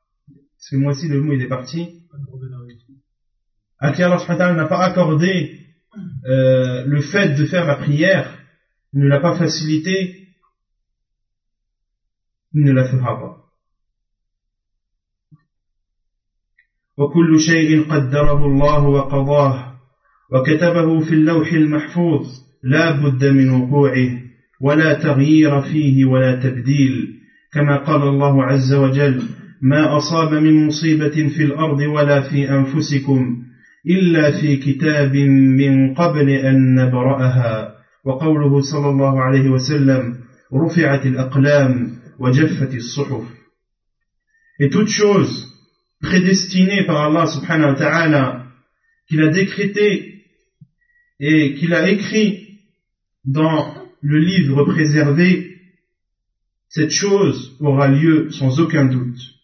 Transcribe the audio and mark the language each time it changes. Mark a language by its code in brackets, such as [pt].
[fr] Parce que moi aussi le mot il est parti. À qui Allah subhanahu wa ta'ala n'a pas accordé le fait de faire la prière, ne l'a pas facilité, ne la fera pas. [ar] وكل شيء قدره الله وقضاه وكتبه في اللوح المحفوظ لا بد من وقوعه ولا تغيير فيه ولا تبديل كما قال الله عز وجل ما أصاب من مصيبة في الأرض ولا في أنفسكم إلا في كتاب من قبل أن نبرأها وقوله صلى الله عليه وسلم رفعت الأقلام وجفت الصحف. [fr] Et toute chose prédestinée par Allah subhanahu wa ta'ala qu'il a décrété et qu'il a écrit dans le livre préservé, cette chose aura lieu sans aucun doute.